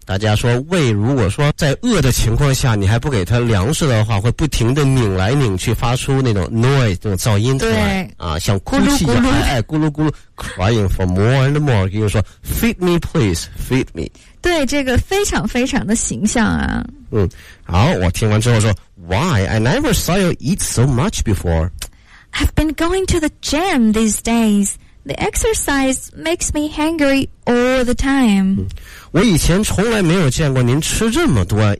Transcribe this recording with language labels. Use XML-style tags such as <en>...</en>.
<zh>大家说胃如果说在饿的情况下你还不给他粮食的话，会不停的拧来拧去，发出那种 noise， 这种噪音出来。对啊，像哭泣一样，咕噜咕噜</zh> <en>crying for more and more，</en> <zh>比如说</zh> <en>feed me please， feed me。</en> <zh>对，这个非常非常的形象啊。好，我听完之后说</zh> <en>why I never saw you eat so much before。 I've been going to the gym these days. The exercise makes me hungry all the time。</en> <zh>我以前从来没有见过您吃这么多。</zh>